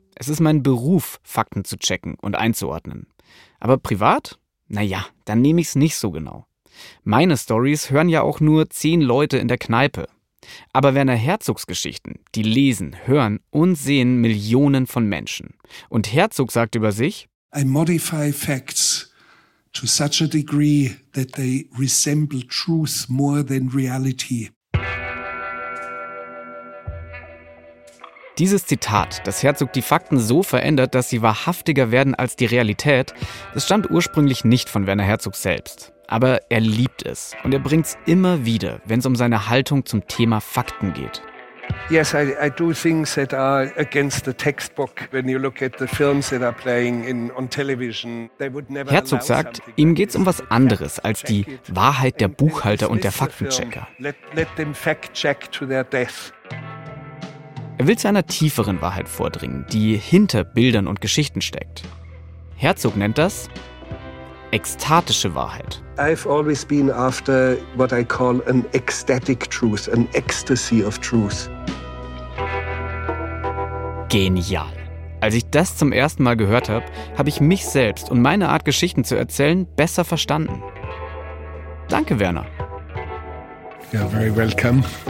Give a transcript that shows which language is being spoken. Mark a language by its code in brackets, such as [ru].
[de] Es ist mein Beruf, Fakten zu checken und einzuordnen. Aber privat? Naja, dann nehme ich's nicht so genau. Meine Stories hören ja auch nur 10 Leute in der Kneipe. Aber Werner Herzogs Geschichten, die lesen, hören und sehen Millionen von Menschen. Und Herzog sagt über sich: [en] I modify facts to such a degree that they resemble truth more than reality. [de] Dieses Zitat, dass Herzog die Fakten so verändert, dass sie wahrhaftiger werden als die Realität, das stammt ursprünglich nicht von Werner Herzog selbst. Aber er liebt es und er bringt es immer wieder, wenn es um seine Haltung zum Thema Fakten geht. [en] Yes, I do things that are against the textbook. When you look at the films that are playing on television, they would never. [de] Herzog sagt, ihm geht's um was anderes als die Wahrheit der Buchhalter und der Faktenchecker. [en] Let them fact check to their death. [de] Er will zu einer tieferen Wahrheit vordringen, die hinter Bildern und Geschichten steckt. Herzog nennt das ekstatische Wahrheit. [en] I've always been after what I call an ecstatic truth, an ecstasy of truth. [de] Genial. Als ich das zum ersten Mal gehört habe, habe ich mich selbst und meine Art, Geschichten zu erzählen, besser verstanden. Danke, Werner. [en] You're very welcome.